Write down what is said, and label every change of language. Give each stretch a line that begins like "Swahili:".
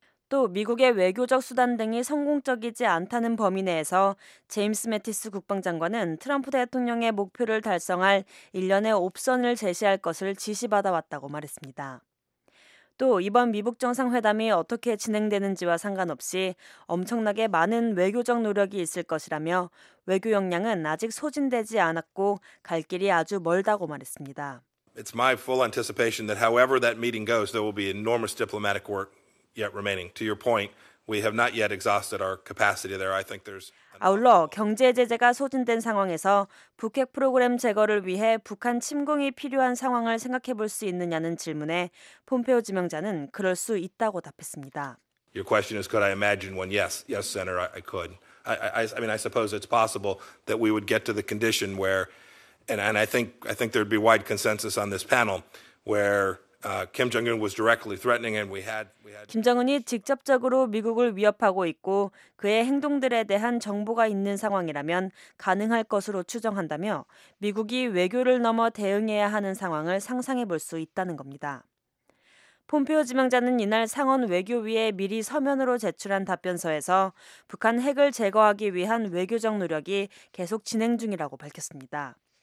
Korean: 또 미국의 외교적 수단 등이 성공적이지 않다는 범위 내에서 제임스 매티스 국방장관은 트럼프 대통령의 목표를 달성할 일련의 옵션을 제시할 것을 지시받아왔다고 말했습니다. 또 이번 미북 정상회담이 어떻게 진행되는지와 상관없이 엄청나게 많은 외교적 노력이 있을 것이라며 외교 역량은 아직 소진되지 않았고 갈 길이 아주 멀다고 말했습니다.
English: It's my full anticipation that however that meeting goes, there will be enormous diplomatic work yet remaining. To your point, we have not yet exhausted our capacity there. I think there's
Korean: 아울러 경제 제재가 소진된 상황에서 북핵 프로그램 제거를 위해 북한 침공이 필요한 상황을 생각해 볼 수 있느냐는 질문에 폼페이오 지명자는 그럴 수 있다고 답했습니다.
English: Your question is could I imagine one? Yes, Senator, I could. I suppose it's possible that we would get to the condition where, and I think there'd be wide consensus on this panel, where Kim Jong-un was directly threatening and we had
Korean: 김정은이 직접적으로 미국을 위협하고 있고 그의 행동들에 대한 정보가 있는 상황이라면 가능할 것으로 추정한다며 미국이 외교를 넘어 대응해야 하는 상황을 상상해 볼 수 있다는 겁니다. 폼페오 지명자는 이날 상원 외교위에 미리 서면으로 제출한 답변서에서 북한 핵을 제거하기 위한 외교적 노력이 계속 진행 중이라고 밝혔습니다.